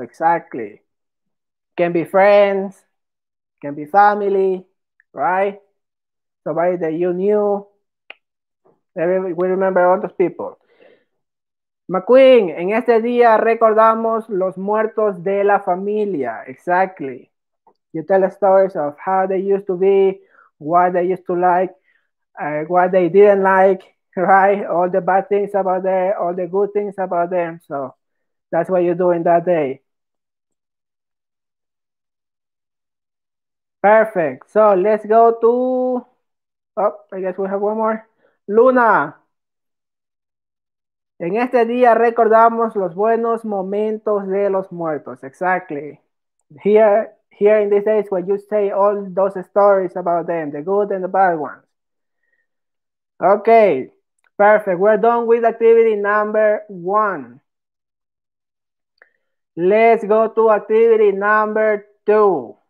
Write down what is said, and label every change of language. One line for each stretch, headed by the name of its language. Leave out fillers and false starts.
English: Exactly. Can be friends, can be family, right? Somebody that you knew. We remember all those people.
Spanish: McQueen, en este día recordamos los muertos de la familia.
English: Exactly. You tell the stories of how they used to be, what they used to like, what they didn't like, right? All the bad things about them, all the good things about them. So that's what you do in that day. Perfect. So let's go to, oh, I guess we have one more.
Spanish: Luna, en este día recordamos los buenos momentos de los muertos.
English: Exactly. Here in these days where you say all those stories about them, the good and the bad ones. Okay, perfect. We're done with activity number one. Let's go to activity number two.